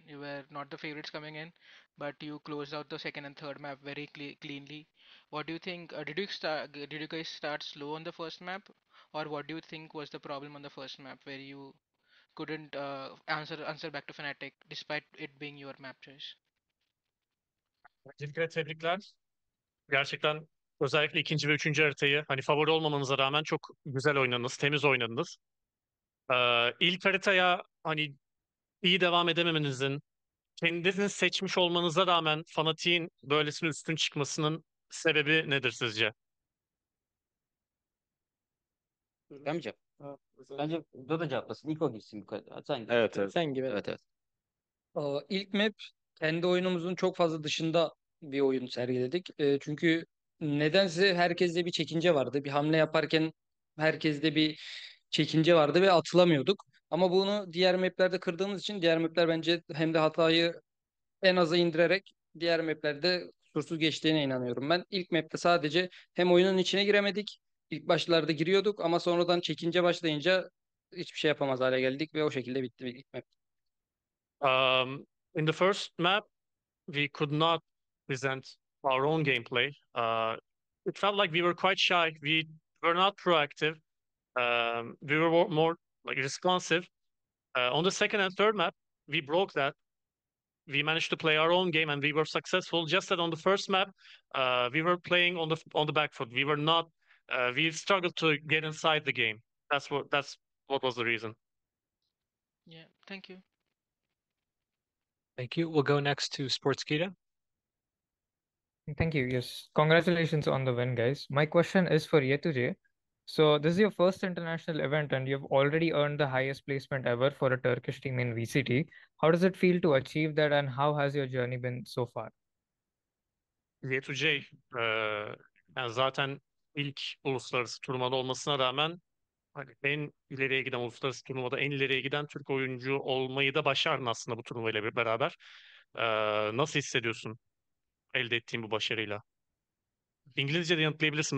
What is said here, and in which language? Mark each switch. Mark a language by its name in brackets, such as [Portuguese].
[English] You were not the favorites coming in, but you closed out the second and third map very cleanly. What do you think? Did you guys start slow on the first map, or what do you think was the problem on the first map where you couldn't answer back to Fnatic despite it being your map choice? [Turkish] Öncelikle tebrikler. Gerçekten özellikle ikinci ve üçüncü haritayı hani favori olmamanıza rağmen çok güzel oynadınız, temiz oynadınız. İlk haritaya hani iyi devam edememenizin, kendinizin seçmiş olmanıza rağmen Fnatic'in böylesine üstün çıkmasının sebebi nedir sizce? Ben mi cevap? Bence o da cevaplasın. İlko girsin bu kadar. Sen gir. Evet. Sen gir. Evet. İlk map kendi oyunumuzun çok fazla dışında bir oyun sergiledik. Çünkü nedense herkeste bir çekince vardı. Bir hamle yaparken herkeste bir çekince vardı ve atılamıyorduk. Ama bunu diğer maplerde kırdığımız için diğer mapler bence hem de hatayı en aza indirerek diğer maplerde kusursuz geçtiğine inanıyorum. Ben ilk mapte sadece hem oyunun içine giremedik. İlk başlarda giriyorduk ama sonradan çekince başlayınca hiçbir şey yapamaz hale geldik ve o şekilde bitti bir gitmek. [English] In the first map, we could not present our own gameplay. It felt like we were quite shy. We were not proactive. We were more like responsive. On the second and third map, we broke that. We managed to play our own game and we were successful. Just that on the first map, we were playing on the back foot. We were not. We struggled to get inside the game. That's what was the reason. Yeah, thank you. Thank you. We'll go next to Sports Kita. Thank you. Yes, congratulations on the win, guys. My question is for Yeturje. So this is your first international event, and you've already earned the highest placement ever for a Turkish team in VCT. How does it feel to achieve that, and how has your journey been so far? [Turkish] Y2J yani zaten ilk uluslararası turnuvada olmasına rağmen hani en ileriye giden uluslararası turnuvada en ileriye giden Türk oyuncu olmayı da başardın aslında bu turnuvayla bir beraber. Nasıl hissediyorsun elde ettiğin bu başarıyla? İngilizce de yanıtlayabilirsin.